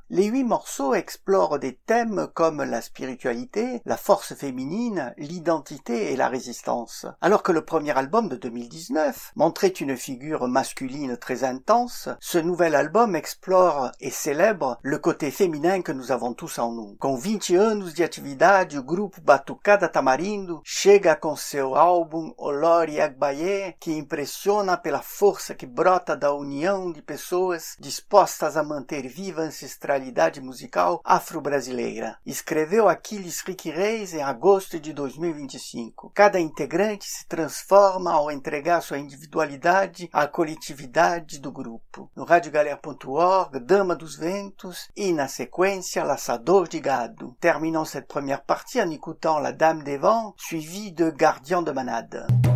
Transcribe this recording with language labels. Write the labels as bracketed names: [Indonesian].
[French] Les 8 morceaux explorent des thèmes comme la spiritualité, la force féminine, l'identité et la résistance. Alors que le premier album de 2019 montrait une figure masculine très intense, ce nouvel album explore et célèbre le côté féminin que nous avons tous en nous. [Portuguese] Com 20 anos de atividade, o grupo Batucada Tamarindo chega com seu álbum Olori Agbaye, que impressiona pela força que brota da união de pessoas dispostas a manter viva a ancestralidade musical afro-brasileira. Escreveu Aquiles Rick Reis em agosto de 2025. Cada integrante se transforma ao entregar sua individualidade à coletividade do grupo. No radiogalera.org, Dama dos Ventos e, na sequência, Laçador de Gado. [French] Terminons cette première partie en écoutant La Dame des Vents, suivie de Gardien de Manade.